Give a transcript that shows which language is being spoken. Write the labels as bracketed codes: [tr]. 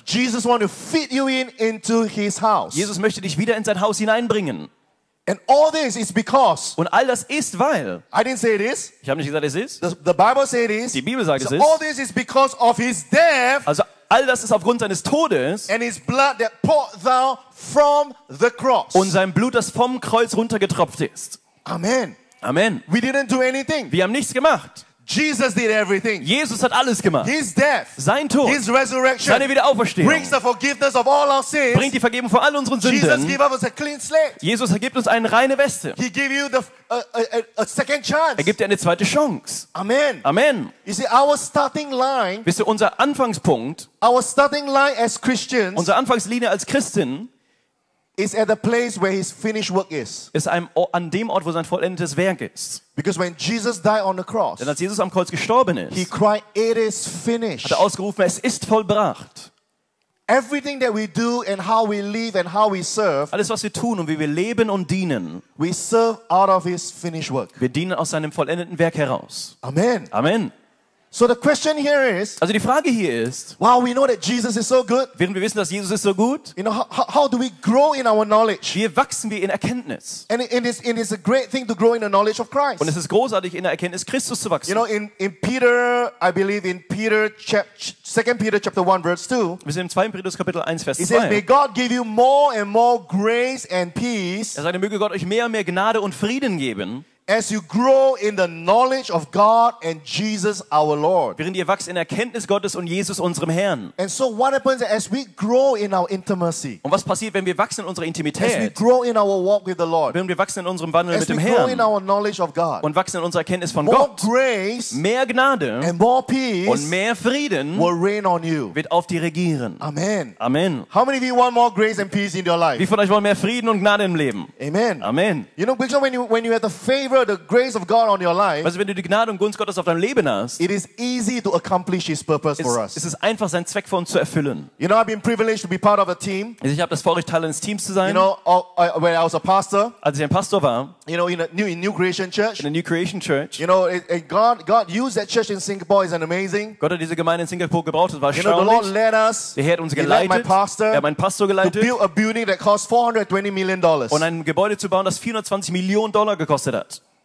[en] Jesus wants to fit you in into his house. [de] Jesus möchte dich wieder in sein Haus hineinbringen. [en] And all this is because. [de] Und all das ist weil. [en] I didn't say it is. [de] Ich habe nicht gesagt, es ist. [en] The Bible says it is. [de] Die Bibel sagt, [en] so [de] es ist. [en] All this is because of his death. [de] Also all das ist aufgrund seines Todes. [en] And his blood that poured thou from the cross. [de] Und sein Blut, das vom Kreuz runtergetropft ist. [en] Amen. [de] Amen. [en] We didn't do anything. [de] Wir haben nichts gemacht. [en] Jesus did everything. [de] Jesus hat alles gemacht. [en] His death. [de] Sein Tod. [en] His resurrection. [de] Seine Wiederauferstehung. [en] Brings the forgiveness of all our sins. [de] Bringt die Vergebung von all unseren Sünden. [en] Jesus gave us a clean slate. [de] Jesus gibt uns eine reine Weste. [en] He gave you the a second chance. [de] Er gibt dir eine zweite Chance. [en] Amen. [de] Amen. [en] You see, our starting line. [de] Wisst ihr, unser Anfangspunkt. [en] Our starting line as Christians. [de] Unsere Anfangslinie als Christen. [en] Is at the place where his finished work is. [de] Ist einem an dem Ort, wo sein vollendetes Werk ist. [en] Because when Jesus died on the cross. [de] Denn als Jesus am Kreuz gestorben ist. [en] He cried, "It is finished." [de] Hat er ausgerufen, es ist vollbracht. [en] Everything that we do and how we live and how we serve. [de] Alles was wir tun und wie wir leben und dienen. [en] We serve out of his finished work. [de] Wir dienen aus seinem vollendeten Werk heraus. [en] Amen. [de] Amen. [en] So the question here is, [de] also die Frage hier ist, [en] wow, we know that Jesus is so good. [de] Während wir wissen, dass Jesus ist so gut, [en] you know, how do we grow in our knowledge? [de] Wie wachsen wir in Erkenntnis? [en] And it is a great thing to grow in the knowledge of Christ. [de] Und es ist großartig, in der Erkenntnis Christus zu wachsen. [en] You know, in Peter, I believe in Peter, Second Peter chapter 1 verse 2. [de] Wir sind im 2. Petrus Kapitel 1 Vers 2. [en] He says, may God give you more and more grace and peace. [de] Er sagt, möge Gott euch mehr und mehr Gnade und Frieden geben. [en] As you grow in the knowledge of God and Jesus our Lord. [de] Während ihr wächst in Erkenntnis Gottes und Jesus unserem Herrn. [en] And so what happens as we grow in our intimacy? [de] Und was passiert, wenn wir wachsen in unserer Intimität? [en] As we grow in our walk with the Lord. [de] Wenn wir wachsen in unserem Wandel [en] as [de] mit dem [en] we [de] Herrn. [en] Grow in our knowledge of God. [de] Und wachsen in unserer Erkenntnis von [en] more [de] Gott. [en] More grace, [de] mehr Gnade [en] and more peace [de] und mehr Frieden [en] will reign on you. [de] Wird auf dir regieren. [en] Amen. [de] Amen. [en] How many of you want more grace and peace in your life? [de] Wie von euch wollen mehr Frieden und Gnade im Leben? [en] Amen. [de] Amen. [en] You know, because when you have the faith the grace of God on your life. [de] Also wenn du die Gnade und Gunst Gottes auf deinem Leben hast, [en] it is easy to accomplish His purpose for us. [de] Es ist einfach, seinen Zweck für uns zu erfüllen. [en] You know, I've been privileged to be part of a team. [de] Ich habe das Vorrecht, Teil eines Teams zu sein. [en] You know, when I was a pastor, [de] als ich ein Pastor war, [en] you know, in a new creation church. You know, God used that church in Singapore is amazing. [de] Gott hat diese Gemeinde in Singapur gebraucht, das war erstaunlich. [en] You know, the Lord led us. [de] Er hat uns geleitet. [en] He led my pastor. [de] Er hat meinen Pastor geleitet. [en] To build a building that cost $420 million. [de] Und ein Gebäude zu bauen, das 420 Millionen Dollar gekostet hat.